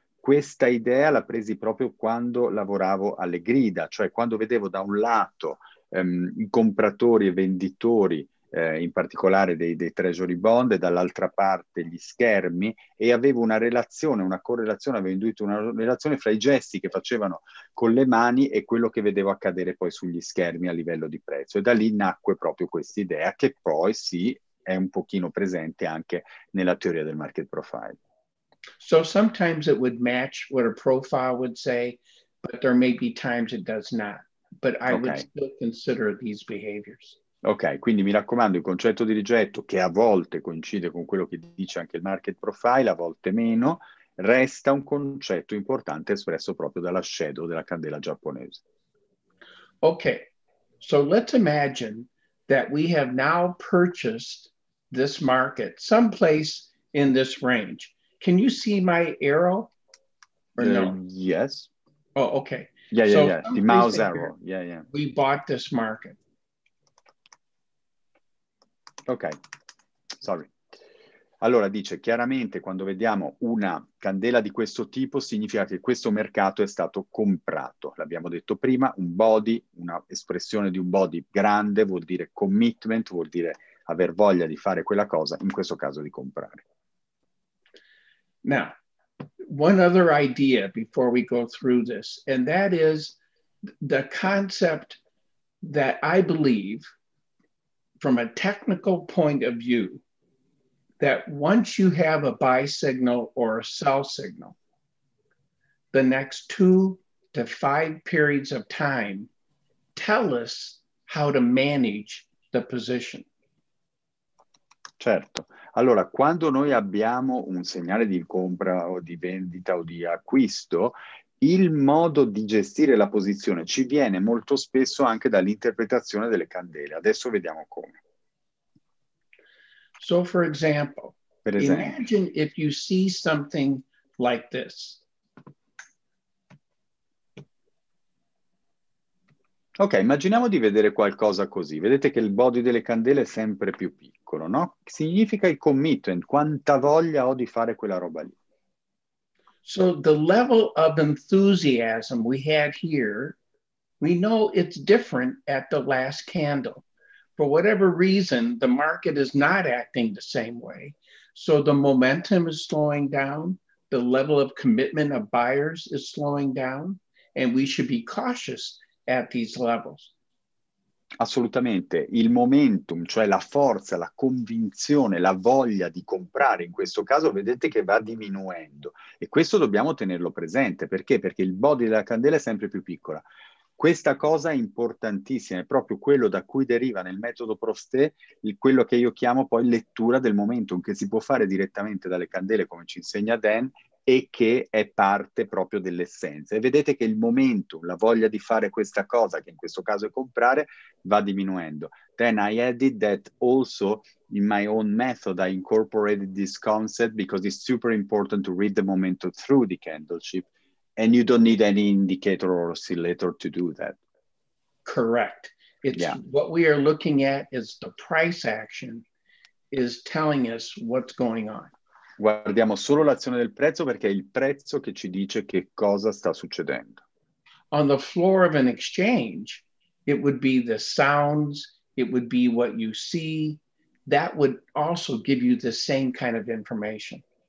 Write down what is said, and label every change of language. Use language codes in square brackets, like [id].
[it] questa idea l'ho presa proprio quando lavoravo alle grida, cioè quando vedevo da un lato i compratori e venditori, in particolare dei treasury bond, e dall'altra parte gli schermi, e avevo una relazione, una correlazione, avevo intuito una relazione fra i gesti che facevano con le mani e quello che vedevo accadere poi sugli schermi a livello di prezzo. E da lì nacque proprio questa idea, che poi sì, è un pochino presente anche nella teoria del market profile. [en] So sometimes it would match what a profile would say, but there may be times it does not. But I would Ok. still consider these behaviors. [it] Ok, quindi mi raccomando, il concetto di rigetto, che a volte coincide con quello che dice anche il market profile, a volte meno, resta un concetto importante espresso proprio dalla shadow della candela giapponese. [en] Okay, so let's imagine that we have now purchased this market someplace in this range. Can you see my arrow? or no? Yes. Oh, okay. Yeah, yeah, so yeah. The mouse arrow. Yeah, yeah. We bought this market. Okay. Sorry. [it] Allora dice chiaramente quando vediamo una candela di questo tipo significa che questo mercato è stato comprato. L'abbiamo detto prima, un body, una espressione di un body grande vuol dire commitment, vuol dire aver voglia di fare quella cosa, in questo caso di comprare. [en] Now, one other idea before we go through this, and that is the concept that I believe from a technical point of view that once you have a buy signal or a sell signal, the next 2 to 5 periods of time tell us how to manage the position. [it] Certo. Allora, quando noi abbiamo un segnale di compra o di vendita o di acquisto, il modo di gestire la posizione ci viene molto spesso anche dall'interpretazione delle candele. Adesso vediamo come. [en] So for example, imagine if you see something like this. [it] Ok, immaginiamo di vedere qualcosa così. Vedete che il body delle candele è sempre più piccolo, no? Significa il commitment, quanta voglia ho di fare quella roba lì. [en] So the level of enthusiasm we had here, we know it's different at the last candle. For whatever reason, the market is not acting the same way. So the momentum is slowing down, the level of commitment of buyers is slowing down, and we should be cautious at these levels. [it] Assolutamente. Il momentum, cioè la forza, la convinzione, la voglia di comprare, in questo caso vedete che va diminuendo. E questo dobbiamo tenerlo presente. Perché? Perché il body della candela è sempre più piccola. Questa cosa è importantissima, è proprio quello da cui deriva nel metodo Prosté quello che io chiamo poi lettura del momentum, che si può fare direttamente dalle candele, come ci insegna Dan, e che è parte proprio dell'essenza. E vedete che il momentum, la voglia di fare questa cosa, che in questo caso è comprare, va diminuendo. [en] Then I added that also in my own method I incorporated this concept because it's super important to read the momentum through the candleship. And you don't need any indicator or oscillator to do that. Correct. It's yeah. What we are looking at is the price action is telling us what's going on. [it] Guardiamo solo l'azione del prezzo perché è il prezzo che ci dice che cosa sta succedendo. [en] On the floor of an exchange, it would be the sounds, it would be what you see. That would also give you the same kind of information.